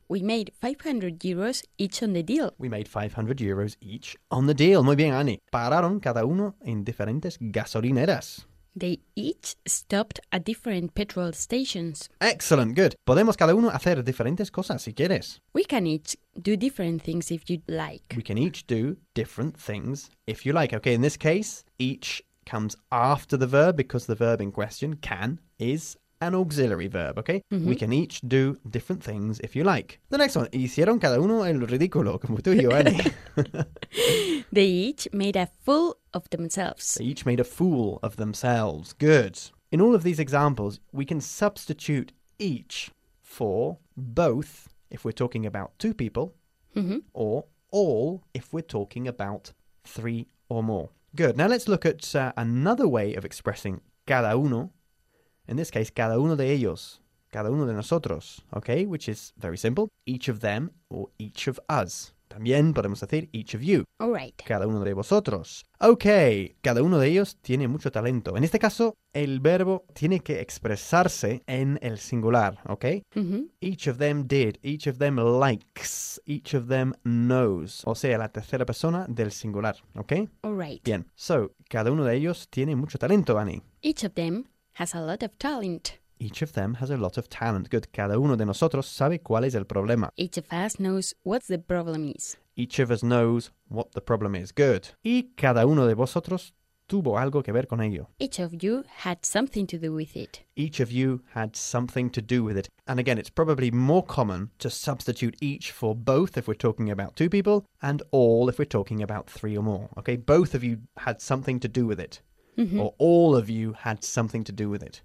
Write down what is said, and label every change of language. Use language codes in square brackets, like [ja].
[en] We made 500 euros each on the deal. We made 500 euros each on the deal. [es] Muy bien, Annie. Pararon cada uno en diferentes gasolineras. [en] They each stopped at different petrol stations. Excellent, good. [es] Podemos cada uno hacer diferentes cosas si quieres. [en] We can each do different things if you'd like. We can each do different things if you like. Okay, in this case, each comes after the verb because the verb in question, can, is an auxiliary verb, okay? Mm-hmm. We can each do different things if you like. The next one. Hicieron cada uno el ridículo, como tú y yo, Annie. They each made a fool of themselves. They each made a fool of themselves. Good. In all of these examples, we can substitute each for both if we're talking about two people, mm-hmm. or all if we're talking about three or more. Good. Now let's look at another way of expressing cada uno. In this case, [es] cada uno de ellos, cada uno de nosotros, okay? [en] Which is very simple. Each of them or each of us. [es] También podemos decir each of you. [en] All right. [es] Cada uno de vosotros. Okay. Cada uno de ellos tiene mucho talento. En este caso, el verbo tiene que expresarse en el singular, okay? Mm-hmm. [en] Each of them did. Each of them likes. Each of them knows. [es] O sea, la tercera persona del singular, okay? [en] All right. [es] Bien. So, cada uno de ellos tiene mucho talento, Annie. [en] Each of them has a lot of talent. Each of them has a lot of talent. Good. [es] Cada uno de nosotros sabe cuál es el problema. [en] Each of us knows what the problem is. Each of us knows what the problem is. Good. [es] Y cada uno de vosotros tuvo algo que ver con ello. [en] Each of you had something to do with it. Each of you had something to do with it. And again, it's probably more common to substitute each for both if we're talking about two people and all if we're talking about three or more. Okay? Both of you had something to do with it. Mm-hmm. Or all of you had something to do with it.